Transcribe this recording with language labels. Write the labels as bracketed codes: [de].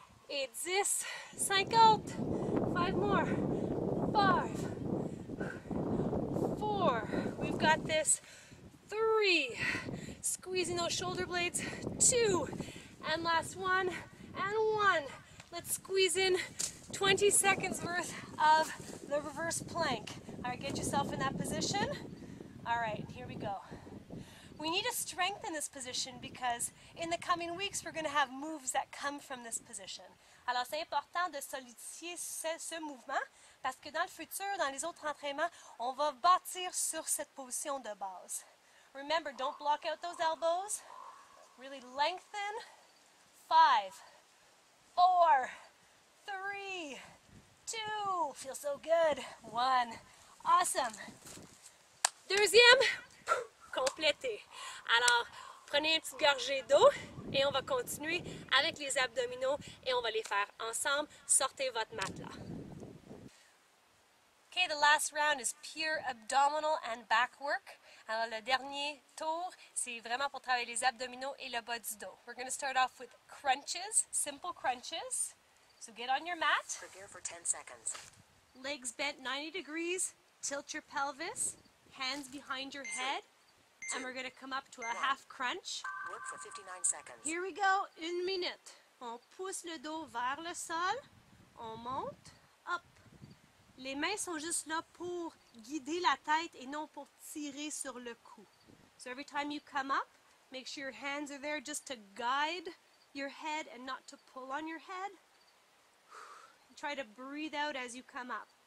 [en] Et 10, 50, 5 more, 5, 4, we've got this, 3, squeezing those shoulder blades, 2, and last one, and 1, let's squeeze in 20 seconds worth of the reverse plank. Alright, get yourself in that position. Alright, here we go. We need to strengthen this position because in the coming weeks we're going to have moves that come from this position. [fr] Alors, c'est important de solidifier ce mouvement parce que dans le futur, dans les autres entraînements, on va bâtir sur cette position de base. [en] Remember, don't block out those elbows. Really lengthen. 5, 4, 3, 2, feel so good. 1, awesome. [fr] Deuxième, complété. Alors, prenez une petite gorgée d'eau. Et on va continuer avec les abdominaux et on va les faire ensemble. Sortez votre matelas. [en] Okay, the last round is pure abdominal and back work. [fr] Alors, le dernier tour, c'est vraiment pour travailler les abdominaux et le bas du dos. [en] We're going to start off with crunches, simple crunches. So get on your mat. Prepare for 10 seconds. Legs bent 90 degrees. Tilt your pelvis. Hands behind your head. And we're going to come up to a half crunch. Work for 59 seconds. Here we go, 1 minute. [fr] On pousse le dos vers le sol. On monte. Hop. Les mains sont juste là pour guider la tête et non pour tirer sur le cou. [en] So every time you come up, make sure your hands are there just to guide your head and not to pull on your head. Try to breathe out as you come up.